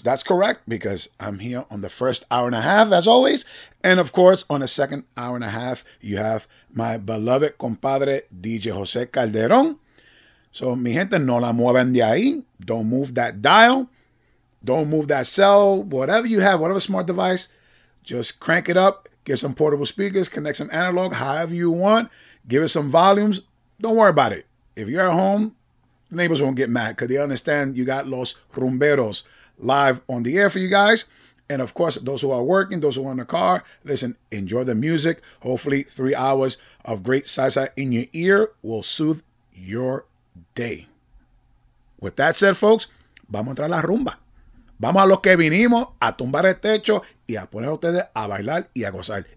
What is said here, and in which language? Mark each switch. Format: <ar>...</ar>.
<en>That's correct, because I'm here on the first hour and a half, as always. And of course, on the second hour and a half, you have my beloved compadre, DJ Jose Calderon.</en> <es>So, mi gente, no la muevan de ahí.</es> <en>Don't move that dial. Don't move that cell. Whatever you have, whatever smart device, just crank it up. Get some portable speakers. Connect some analog, however you want. Give it some volumes. Don't worry about it. If you're at home, neighbors won't get mad because they understand you got Los Rumberos live on the air for you guys. And, of course, those who are working, those who are in the car, listen, enjoy the music. Hopefully, 3 hours of great salsa in your ear will soothe your day. With that said, folks,</en> <es>vamos a entrar a la rumba. Vamos a lo que vinimos, a tumbar el techo y a poner a ustedes a bailar y a gozar.</es>